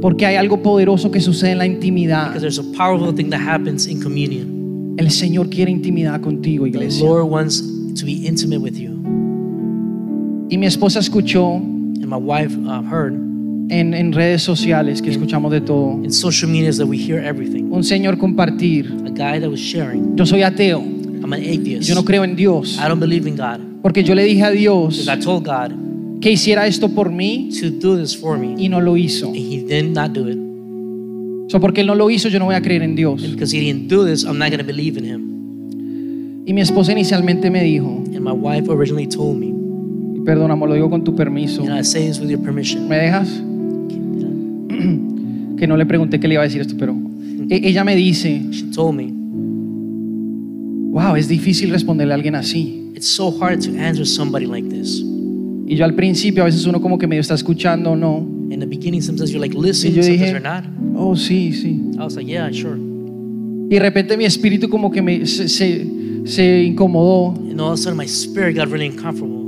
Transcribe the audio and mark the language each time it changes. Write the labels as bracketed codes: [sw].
[es] Porque hay algo poderoso que sucede en la intimidad. [en] Because there's a powerful thing that happens in communion. [es] El Señor quiere intimidad contigo, iglesia. [en] The Lord wants to be intimate with you. [es] Y mi esposa escuchó [en] and my wife, heard [es] en redes sociales que [en] in, [es] escuchamos de todo [en] in social media that we hear everything. [es] Un señor compartir [en] a guy that was sharing. [es] Yo soy ateo. [en] I'm an atheist. [es] Yo no creo en Dios. [en] I don't believe in God. [es] Porque yo le dije a Dios [en] God, [es] que hiciera esto por mí [en] to do this for me, [es] y no lo hizo. [en] And he did not do it. [es] So porque él no lo hizo, yo no voy a creer en Dios. [en] And because he didn't do this, I'm not going to believe in him. [es] Y mi esposa inicialmente me dijo, [en] and my wife originally told me, [es] perdón, amor, lo digo con tu permiso. [en] And I say this with your permission. [es] ¿Me dejas? Que no le pregunté qué le iba a decir esto, pero ella me dice, [en] she told me, [es] wow, es difícil responderle a alguien así. [en] It's so hard to answer somebody like this. [es] Y yo al principio a veces uno como que medio está escuchando o no. [en] In the beginning sometimes you're like listening, [es] y yo dije, [en] sometimes you're not. [es] Oh, sí, sí. [en] I was like, yeah, sure. [es] Y de repente mi espíritu como que se incomodó. [en] And all of a sudden my spirit got really uncomfortable.